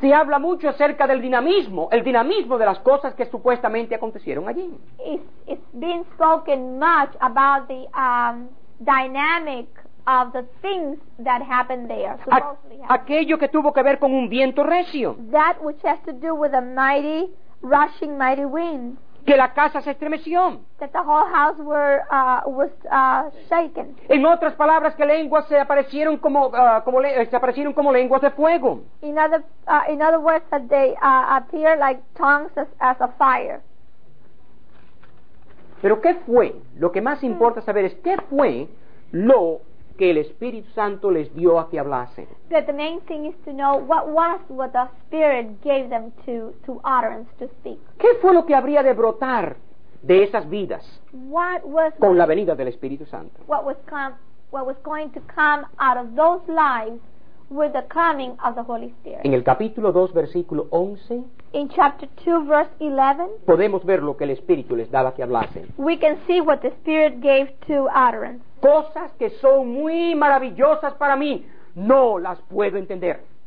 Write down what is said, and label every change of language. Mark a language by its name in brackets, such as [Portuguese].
[Spanish] Se habla mucho acerca del dinamismo, el dinamismo de las cosas que supuestamente acontecieron allí. [English] It's been spoken much about the dynamic of the things that happened there. [Spanish] Aquello que tuvo que ver con un viento recio. [English] That which has to do with a mighty, rushing, mighty wind. [Spanish] Que la casa se estremeció. [English] That the whole house was shaken. [Spanish] En otras palabras, que lenguas se aparecieron como lenguas de fuego. [English] In other words, that they appear like tongues as a fire. [Spanish] Pero ¿qué fue? Lo que más importa saber es qué fue lo que el Espíritu Santo les dio a que hablasen. [English] But the main thing is to know what the Spirit gave them to utterance, to speak. [Spanish] ¿Qué fue lo que habría de brotar de esas vidas con la venida del Espíritu Santo? [English] What was going to come out of those lives with the coming of the Holy Spirit. [Spanish] En el capítulo 2, versículo 11, [English] in chapter 2, verse 11, [Spanish] podemos ver lo que el Espíritu les daba que hablasen. [English] We can see what the Spirit gave to utterance. [Spanish] Cosas que son muy maravillosas para mí, no las puedo entender.